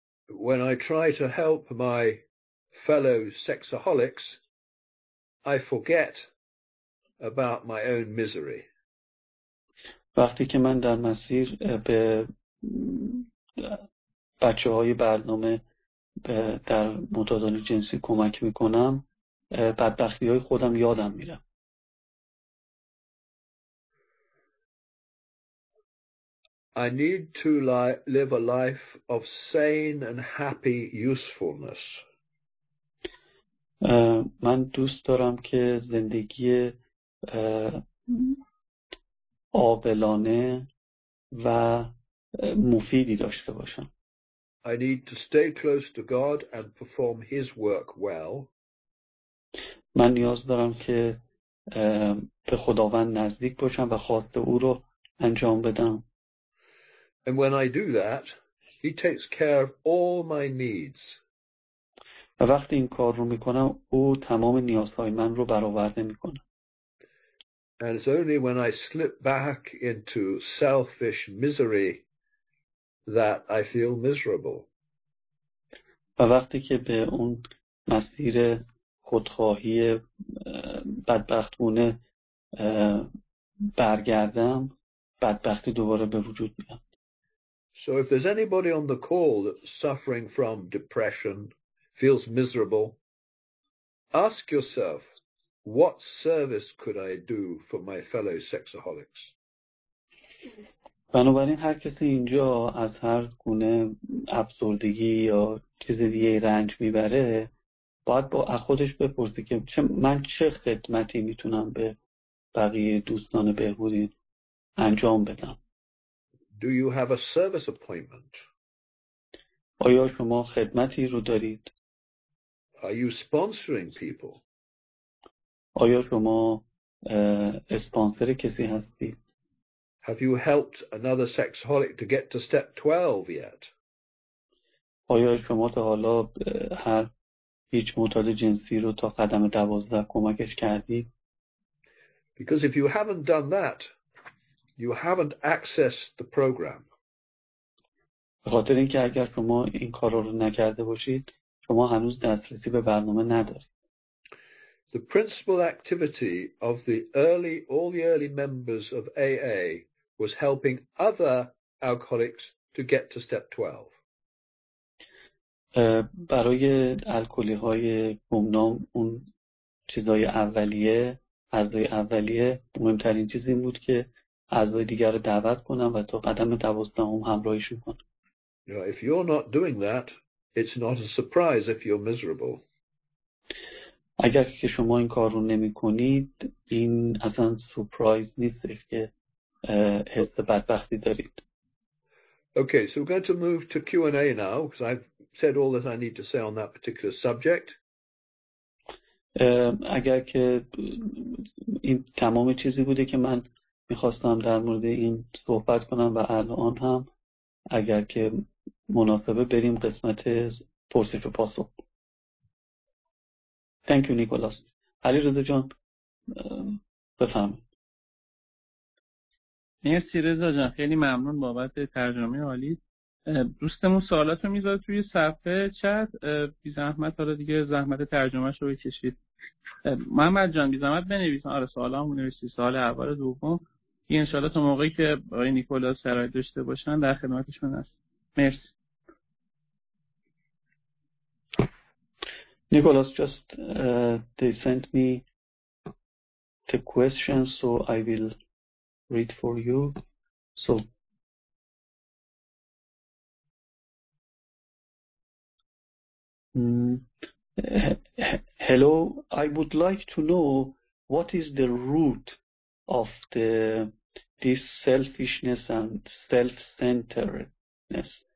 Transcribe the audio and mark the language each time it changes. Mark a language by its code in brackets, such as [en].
[en] When I try to help my fellow sexaholics, I forget about my own misery. [fa] وقتی که من در مسیر به بچه های برنامه در متعدان جنسی کمک میکنم، بدبختی های خودم یادم میرم. [en] I need to live a life of sane and happy usefulness. [fa] من دوست دارم که زندگی عاقلانه و مفیدی داشته باشم. [en] I need to stay close to God and perform His work well. [fa] من نیاز دارم که به خداوند نزدیک باشم و خواسته او رو انجام بدم. [en] And when I do that, He takes care of all my needs. [fa] و وقتی این کار رو میکنم او تمام نیازهای من رو برآورده میکنه. [en] And it's only when I slip back into selfish misery that I feel miserable. [fa] و وقتی که به اون مسیر خودخواهی بدبختونه برگردم، بدبختی دوباره به وجود میاد. [en] So if there's anybody on the call that's suffering from depression, feels miserable, ask yourself, what service could I do for my fellow sexaholics? [fa] بنابراین هر کسی اینجا از هر گونه افسردگی یا چیز دیگه رنج میبره، باید با خودش بپرسه که من چه خدمتی میتونم به بقیه دوستان بهبودی انجام بدم. [en] Do you have a service appointment? [fa] آیا شما خدمتی رو دارید؟ [en] Are you sponsoring people? [fa] آیا شما اسپانسر کسی هستید؟ [en] Have you helped another sexaholic to get to step 12 yet? [fa] آیا شما تا حالا هیچ معتاد جنسی رو تا قدم 12 کمکش کردید؟ [en] Because if you haven't done that, you haven't accessed the program. [fa] به خاطر اینکه اگر شما این کار رو نکرده باشید، شما هنوز دسترسی به برنامه ندارید. [en] The principal activity of all the early members of AA was helping other alcoholics to get to step 12. [fa] برای الکلی‌های گمنام اون چیزای اولیه مهمترین چیز این بود که اعضای دیگر رو دعوت کنم و تا قدم 12 همراهیشون کنم. [en] Now, if you're not doing that, it's not a surprise if you're miserable. [fa] اگر که شما این کار رو نمی کنید، این اصلا سورپرایز نیست که حس بدبختی دارید. [en] Okay, so we're going to move to Q&A now, because I've said all that I need to say on that particular subject. [fa] اگر که این تمام چیزی بوده که من میخواستم در مورد این صحبت کنم و الان هم اگر که مناسبه بریم قسمت پرسش و پاسخ. [en] Thank you, [fa] Nicholas. علی رضا جان، بفهمید. مرسی رضا جان، خیلی ممنون بابت ترجمه عالی. دوستمون سوالات رو میذاره توی صفحه چت، بی زحمت حالا دیگه زحمت ترجمهش رو بکشید. محمد جان بی زحمت بنویسن، آره سوالامون نوشتی، سوال اول و دوم. این انشاءالله تو موقعی که آقای نیکولاس شرایط داشته باشن در خدمتشون هست. مرسی. [en] Nicholas, just they sent me the questions, so I will read for you. So, hello, I would like to know what is the root of this selfishness and self-centeredness.